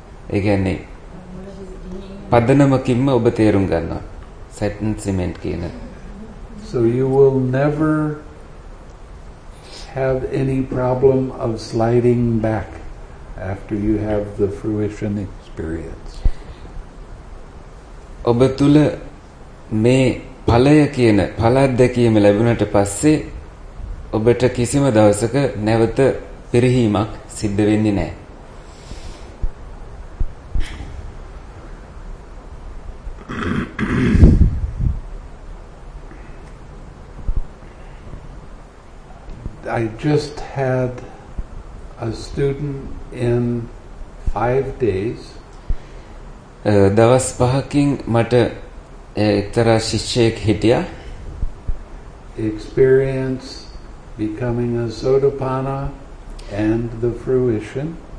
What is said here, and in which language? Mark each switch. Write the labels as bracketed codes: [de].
[si] ඒ කියන්නේ පදනමකින්ම ඔබ තේරුම් ගන්නවා [en] සැටන් සිමෙන්ට් [si] කියන. [en] So you will never have any problem of sliding back after you have the fruition experience. [si] ඔබ තුල මේ ඵලය කියන ඵල අත්දැකීම ලැබුණට පස්සේ ඔබට කිසිම දවසක නැවත පිරිහීමක් සිද්ධ වෙන්නේ නැහැ. [en] I just had a student in 5 days. [si] දවස් පහකින් මට එක්තරා ශිෂ්‍යයෙක් හිටියා. [en] Experience becoming a sotapanna and the fruition.